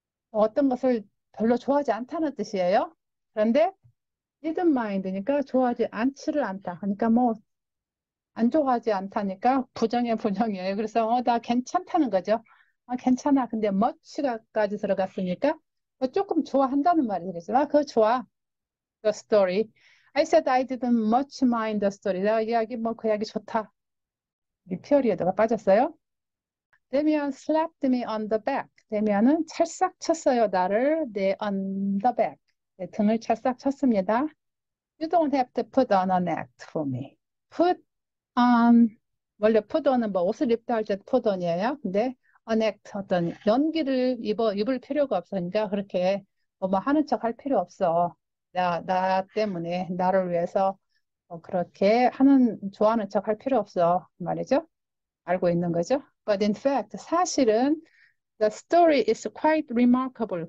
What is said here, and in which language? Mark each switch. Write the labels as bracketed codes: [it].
[ko] 어떤 것을 별로 좋아하지 않다는 뜻이에요. 그런데 didn't mind니까 좋아하지 않지를 않다. 그러니까 뭐안 좋아하지 않다니까 부정의 부정이에요. 그래서 나 괜찮다는 거죠. 아, 괜찮아. 근데 much까지 들어갔으니까 조금 좋아한다는 말이 되겠지. 아, 그거 좋아. [en] The story. I said I didn't much mind the story. [ko] 나 이야기 뭐그 이야기 좋다. 리피어리에다가 빠졌어요. [en] Damien slapped me on the back. [ko] Damien은 찰싹 쳤어요. 나를 내 [en] on the back. [ko] 내 등을 찰싹 쳤습니다. [en] You don't have to put on an act for me. [ko] Put 원래 put on은 뭐 옷을 입다 할때 put on이에요. 근데 an act 어떤 연기를 입을 필요가 없으니까 그렇게 뭐뭐 하는 척할 필요 없어. 나 때문에 나를 위해서 그렇게 하는 좋아하는 척할 필요 없어 말이죠. 알고 있는 거죠. [en] But in fact [ko] 사실은 [en] the story is quite remarkable.